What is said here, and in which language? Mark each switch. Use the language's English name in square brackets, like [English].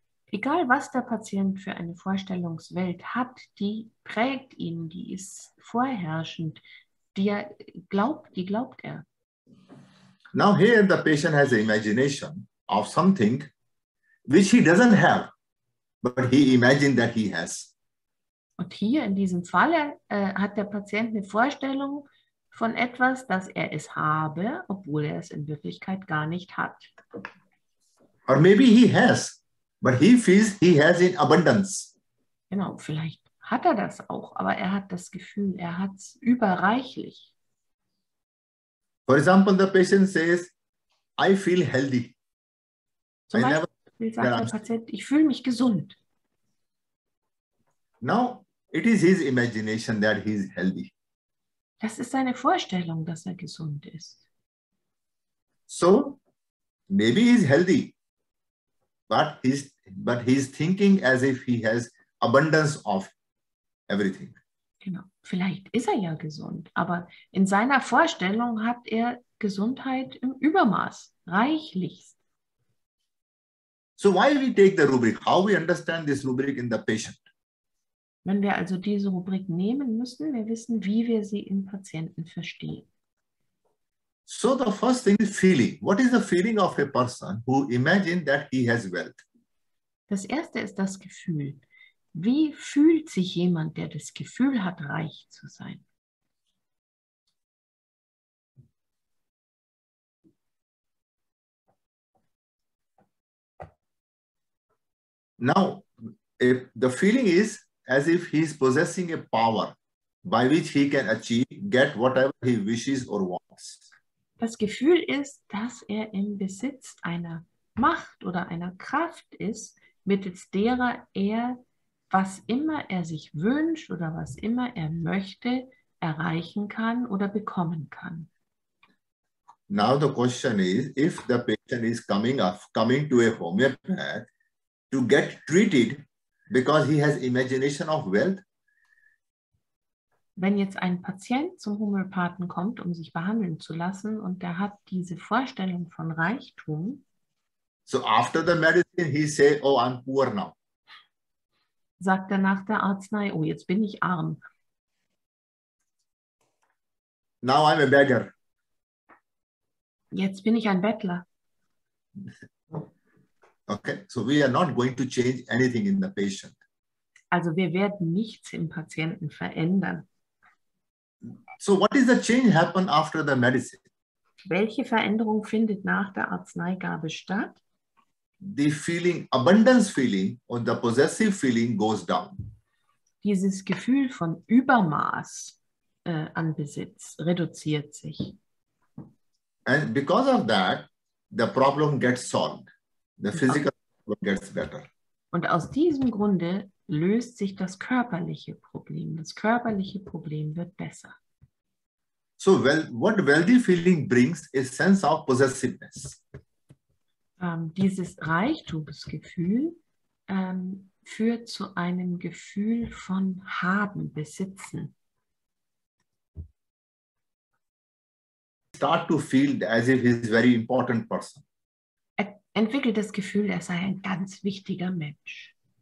[German] Egal was der Patient für eine Vorstellungswelt hat, die prägt ihn, die ist vorherrschend, die glaubt er. [English] Now here the patient has an imagination of something which he doesn't have, but he imagined that he has. [German] Und hier in diesem Falle hat der Patient eine Vorstellung von etwas, das er es habe, obwohl er es in Wirklichkeit gar nicht hat. [English] Or maybe he has, but he feels he has in abundance. [German] Genau, vielleicht hat er das auch, aber er hat das Gefühl, er hat es überreichlich. [English] For example, the patient says, I feel healthy. [German] Zum Beispiel sagt der Patient, ich fühle mich gesund. [English] Now, it is his imagination that he is healthy. [German] Das ist seine Vorstellung, dass er gesund ist. [English] So, maybe he is healthy. But he's thinking as if he has abundance of everything. [German] Genau. Vielleicht ist er ja gesund, aber in seiner Vorstellung hat er Gesundheit im Übermaß, reichlichst. [English] So why we take the rubric? How we understand this rubric in the patient? [German] Wenn wir also diese Rubrik nehmen, müssen wir wissen, wie wir sie im Patienten verstehen. [English] So the first thing is feeling. What is the feeling of a person who imagines that he has wealth? [German] Das erste ist das Gefühl. Wie fühlt sich jemand, der das Gefühl hat, reich zu sein? [English] Now, if the feeling is as if he is possessing a power by which he can achieve, get whatever he wishes or wants. [German] Das Gefühl ist, dass er im Besitz einer Macht oder einer Kraft ist, mittels derer er, was immer er sich wünscht oder was immer er möchte, erreichen kann oder bekommen kann. [English] Now the question is, if the patient is coming to a homeopath to get treated because he has imagination of wealth. [German] Wenn jetzt ein Patient zum Homöopathen kommt, um sich behandeln zu lassen und der hat diese Vorstellung von Reichtum. [English] So after the medicine he say, oh, I'm poor now. [German] Sagt er nach der Arznei, oh, jetzt bin ich arm. [English] Now I'm a beggar. [German] Jetzt bin ich ein Bettler. [English] Okay, so we are not going to change anything in the patient. [German] Also wir werden nichts im Patienten verändern. [English] So what is the change happen after the medicine? [German] Welche Veränderung findet nach der Arzneigabe statt? [English] The feeling, abundance feeling or the possessive feeling goes down. [German] Dieses Gefühl von Übermaß an Besitz reduziert sich. [English] And because of that, the problem gets solved. The physical problem gets better. [German] Und aus diesem Grunde löst sich das körperliche Problem. Das körperliche Problem wird besser. [English] So, well, what wealthy feeling brings is sense of possessiveness. [German] Dieses Reichtumsgefühl führt zu einem Gefühl von haben, besitzen. [English] Start to feel as if he is a very important person. [German] Er entwickelt das Gefühl, er sei ein ganz wichtiger Mensch.